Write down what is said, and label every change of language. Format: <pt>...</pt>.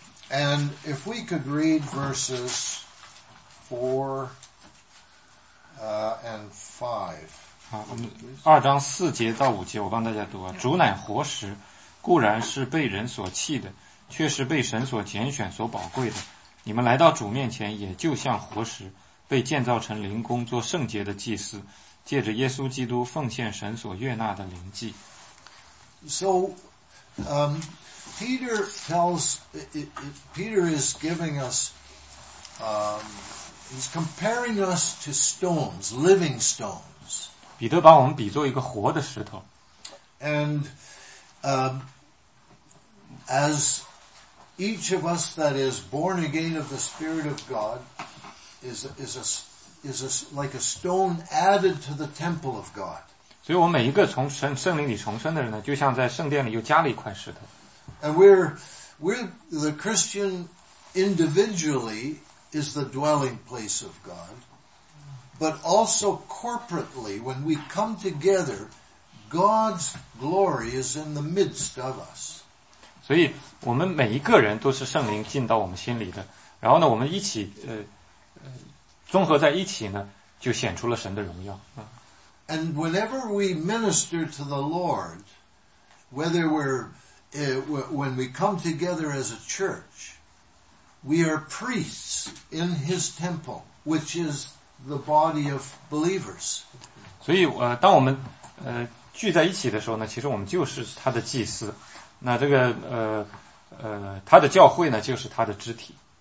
<en>And if we could read verses 4 and 5.</en> <zh>好，我们二章四节到五节，我帮大家读啊。主乃活石，固然是被人所弃的，却是被神所拣选、所宝贵的。你们来到主面前，也就像活石，被建造成灵宫，做圣洁的祭司，借着耶稣基督奉献神所悦纳的灵祭。</zh> <en>So, Peter tells, Peter is giving us, he's comparing us to stones, living stones.</en> <zh>彼得把我们比作一个活的石头。</zh> <en>And, as each of us that is born again of the Spirit of God is like a stone added to the temple of God.</en> <zh>所以我每一个从圣灵里重生的人呢，就像在圣殿里又加了一块石头。</zh> <en>And we're the Christian individually is the dwelling place of God, but also corporately, when we come together, God's glory is in the midst of us.</en> <zh>所以我们每一个人都是圣灵进到我们心里的，然后呢，我们一起综合在一起呢，就显出了神的荣耀。</zh> <en>And whenever we minister to the Lord, whether we're, when we come together as a church, we are priests in His temple, which is the body of believers.</en> <zh>所以当我们聚在一起的时候呢，其实我们就是他的祭司。那这个他的教会呢，就是他的肢体。</zh>